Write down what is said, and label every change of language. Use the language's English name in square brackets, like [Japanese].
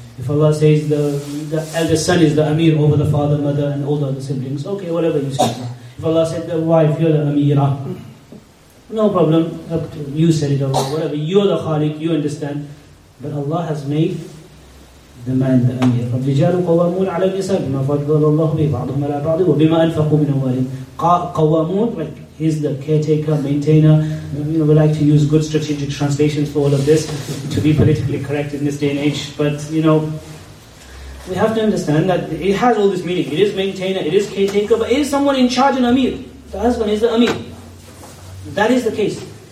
[English] If Allah says the eldest son is the Amir over the father, mother, and all the other siblings, okay, whatever you say, Allah. If Allah said, the wife, you're the Amira, no problem. You said it, Allah. Whatever. You're the Khaliq, you understand. But Allah has made the man, the Amir. [Arabic] الرجال قوامون على النساء بما فضل الله به بعضهم على بعض وبما أنفقوا من أموالهم قوامون, [English] like he's the caretaker, maintainer. You know, we like to use good strategic translations for all of this to be politically correct in this day and age. But you know, we have to understand that it has all this meaning. It is maintainer, it is caretaker, but it is someone in charge, an Amir. The husband is the Amir. That is the case.